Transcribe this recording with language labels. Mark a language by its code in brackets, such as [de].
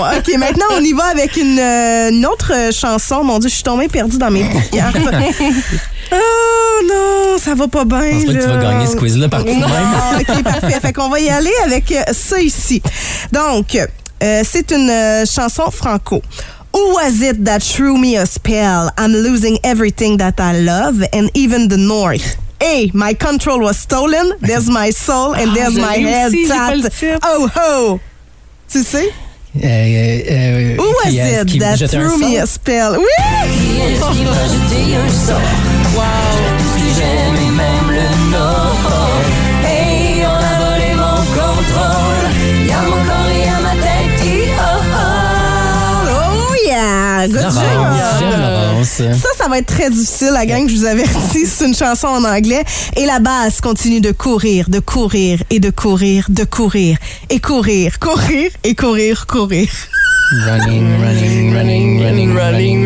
[fr] OK, maintenant, on y va avec une autre chanson. Mon Dieu, je suis tombée perdue dans mes cartes. Oh non, ça va pas bien. Je pense pas que tu vas gagner ce quiz-là par tout de même. OK, parfait. Fait qu'on va y aller avec ça ici. Donc, c'est une chanson franco. [en] Who was it that threw me a spell? I'm losing everything that I love and even the North. A, my control was stolen. There's my soul and there's my head. Oh, ho! [fr] Tu sais? [en] Who was it that threw me a spell? [fr] Oui! Qui est-ce qui m'a jeté un sort? Wow! Tout ce que j'aime et même le nord. Hey, on a volé mon contrôle. Y'a mon corps et y'a ma tête qui [en] oh yeah! Good job! [fr] Ça va être très difficile, la gang, je vous avertis. C'est une chanson en anglais. Et la basse continue de courir, de courir et de courir, de courir et courir, courir et courir, courir. [en] Running, running, running, running, running, running,